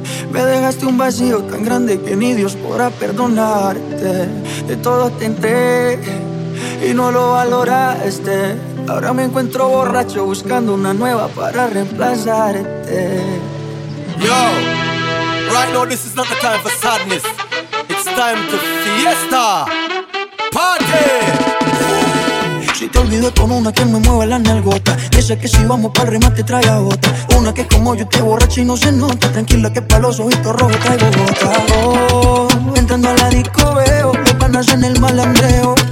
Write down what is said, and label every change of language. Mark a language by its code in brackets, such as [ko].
[es] Me dejaste un vacío tan grande que ni Dios podrá perdonarte. De todo tenté y no lo valoraste. Ahora me encuentro borracho buscando una nueva para reemplazarte. [en] Yo, right now this is not the time for sadness. It's time to fiesta. Party. [es] Si te olvido con una que me mueve la nalgota. Esa que si vamos pa'l remate trae a bota. Una que como yo te borracha y no se nota. Tranquila que pa' los ojitos rojos traigo gota. Oh, entrando a la disco veo los panas en el malandreo.